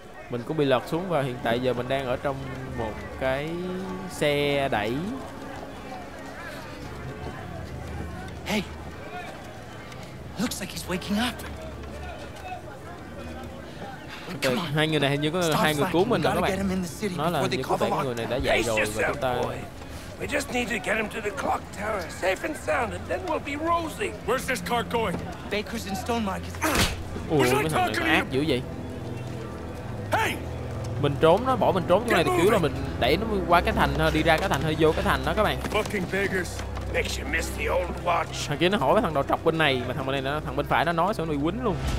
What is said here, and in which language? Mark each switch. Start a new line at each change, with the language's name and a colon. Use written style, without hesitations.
Vietnamese: Mình cũng bị lọt xuống và hiện tại giờ mình đang ở trong một cái xe đẩy.
English: Hey. Looks like he's waking up. Okay.
Vietnamese: Hai người này hình như có hai người cứu mình rồi các bạn. Nó là như có vẻ người này đã dậy rồi và chúng ta.
English: We just need to get him to the clock tower safe and sound and then we'll be rosy. Where's this car going? Baker's in Stonemarket.
Vietnamese: Ủa, cái thằng này ác dữ vậy.
English: Hey!
Vietnamese: Mình trốn nó, bỏ mình trốn chỗ này thì kiểu là mình đẩy nó qua cái thành thôi, đi ra cái thành thôi, vô cái thành đó các bạn.
English: Fucking beggars. Makes you miss the old watch.
Vietnamese: Thằng kia nó hỏi với thằng đầu trọc bên này, mà thằng bên này nó, thằng bên phải nó nói xong nó bị quýnh luôn.